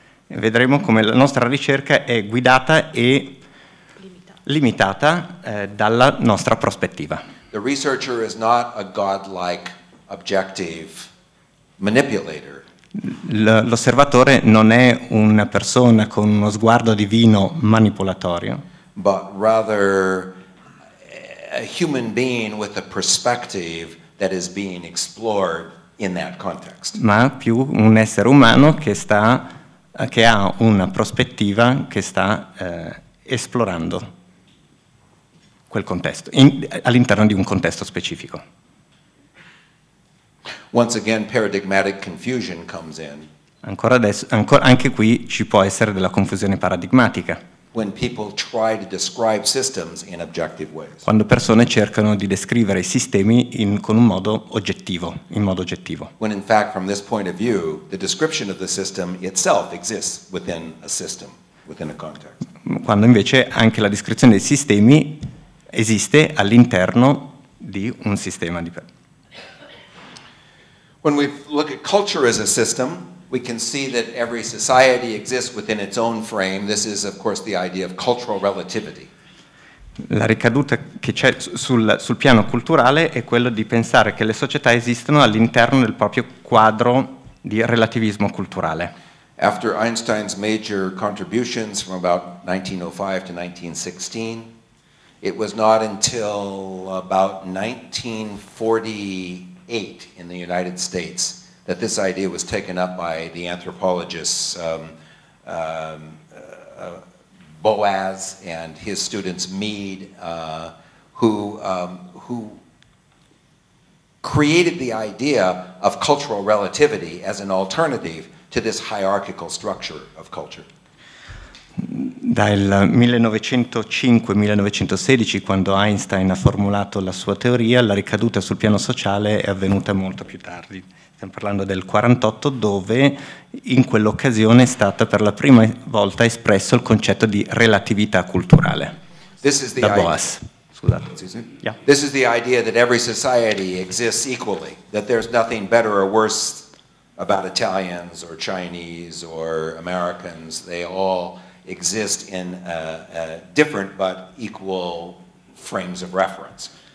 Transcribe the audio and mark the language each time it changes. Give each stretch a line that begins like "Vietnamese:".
Italian: Vedremo come la nostra ricerca è guidata e limitata dalla nostra prospettiva.
English: The researcher is not a godlike objective manipulator.
Italian: L'osservatore non è una persona con uno sguardo divino manipolatorio,
English: but rather a human being with a perspective that is being explored in that context.
Italian: Ma più un essere umano che ha una prospettiva che sta esplorando quel contesto, all'interno di un contesto specifico.
English: Once again, paradigmatic confusion comes in.
Italian: Ancora adesso, anche qui ci può essere della confusione paradigmatica.
English: When people try to describe systems in objective ways.
Italian: Quando persone cercano di descrivere i sistemi in modo oggettivo.
English: When in fact, from this point of view, the description of the system itself exists within a system, within a context.
Italian: Quando invece anche la descrizione dei sistemi esiste all'interno di un sistema di.
English: When we look at culture as a system, we can see that every society exists within its own frame. This is, of course, the idea of cultural relativity.
Italian: La ricaduta che c'è sul piano culturale è quello di pensare che le società esistono all'interno del proprio quadro di relativismo culturale.
English: After Einstein's major contributions from about 1905 to 1916, it was not until about 1948 in the United States that this idea was taken up by the anthropologists Boas and his students Mead, who created the idea of cultural relativity as an alternative to this hierarchical structure of culture.
Italian: Dal 1905-1916, quando Einstein ha formulato la sua teoria, la ricaduta sul piano sociale è avvenuta molto più tardi. Stiamo parlando del 48, dove in quell'occasione è stata per la prima volta espresso il concetto di relatività culturale.
English: This is the
Italian: da Boas. Scusate.
English: Yeah. This is the idea that every society exists equally, that there's nothing better or worse about Italians or Chinese or Americans. They all exist in a different but equal frames of reference.